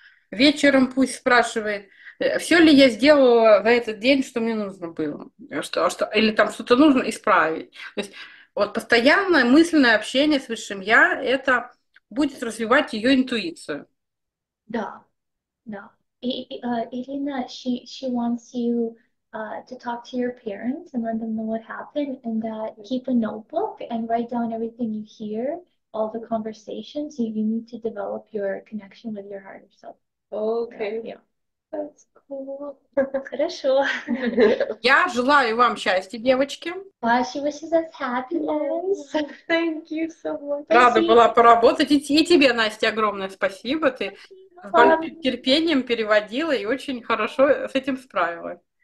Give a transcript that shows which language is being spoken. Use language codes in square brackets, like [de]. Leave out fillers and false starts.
[ru] Вечером пусть спрашивает, все ли я сделала за этот день, что мне нужно было, что, или там что-то нужно исправить. То есть вот постоянное мысленное общение с высшим я, это будет развивать ее интуицию. Да, да. [en] Ирина, she wants you to talk to your parents and let them know what happened, and that keep a notebook and write down everything you hear, all the conversations. You need to develop your connection with your higher self. Okay. Yeah. That's cool. [ru] Хорошо. Я желаю вам счастья, девочки. [en] Wow, she wishes us happiness. Thank you so much. [ru] Рада была поработать. И тебе, Настя, огромное спасибо. Ты с большим терпением переводила и очень хорошо с этим справилась.